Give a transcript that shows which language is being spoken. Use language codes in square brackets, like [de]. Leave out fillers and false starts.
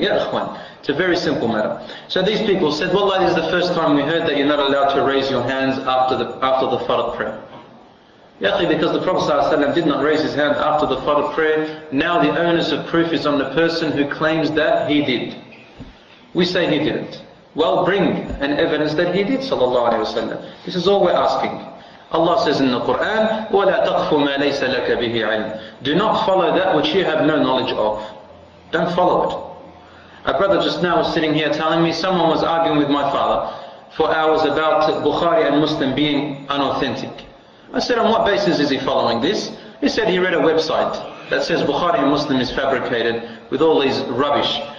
[en] Ya akhwan, it's a very simple matter. So these people said, wallahi, this is the first time we heard that you're not allowed to raise your hands after the fard prayer. Ya akhi, because the Prophet ﷺ did not raise his hand after the fard prayer, now the onus of proof is on the person who claims that he did. We say he didn't. Well, bring an evidence that he did, sallallahu alayhi wa sallam. This is all we're asking. Allah says in the Quran, [ar] وَلَا تَقْفُ مَا لَيْسَ لَكَ بِهِ عِلْمٍ. [en] Do not follow that which you have no knowledge of. Don't follow it. A brother just now was sitting here telling me someone was arguing with my father for hours about Bukhari and Muslim being unauthentic. I said, on what basis is he following this? He said he read a website that says Bukhari and Muslim is fabricated with all these rubbish.